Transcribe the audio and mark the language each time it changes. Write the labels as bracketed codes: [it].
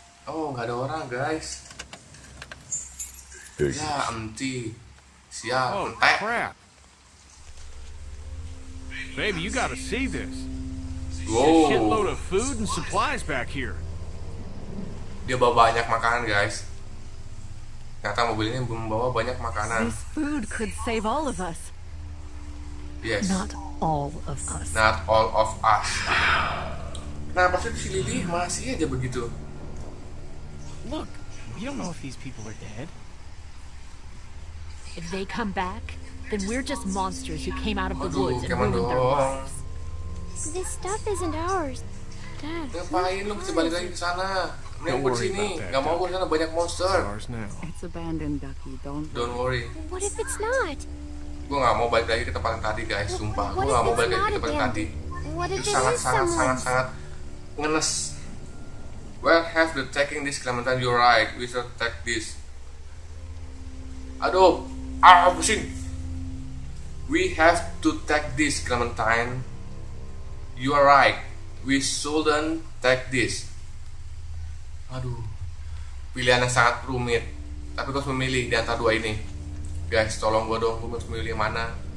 [id] Oh, enggak ada orang, guys. Ya, empty. Siap. [en] Oh, crap. Baby, you gotta see this. Whoa. There's a shitload of food and supplies back here. [id] Dia bawa banyak makanan, guys. Ternyata mobil ini membawa banyak makanan. [en] This food could save all of us. Yes. Not all of us. Not all of us. [id] Kenapa sih si Lily masih aja begitu? [en] Look, we don't know if these people are dead. If they come back, then we're just monsters who came out of the woods and ruined their lives. This stuff isn't ours, Dad. [id] Ngapain lu kembali lagi ke sana? [en] Don't worry about that. [id] Gak mau gue sana banyak monster. [en] It's abandoned, Ducky. Don't worry. What if it's not? [id] Gue gak mau balik lagi ke tempat yang tadi, guys. Sumpah, gue gak mau balik lagi ke tempat yang tadi. Itu sangat ngenes. [en] Well, have the taking this Clementine. You're right. We should take this. [id] Aduh, ah, pusing. [en] We have to take this Clementine. You are right. We shouldn't take this. [id] Aduh, pilihannya sangat rumit. Tapi gue harus memilih di antara dua ini. Guys, tolong gue dong, gue harus memilih yang mana.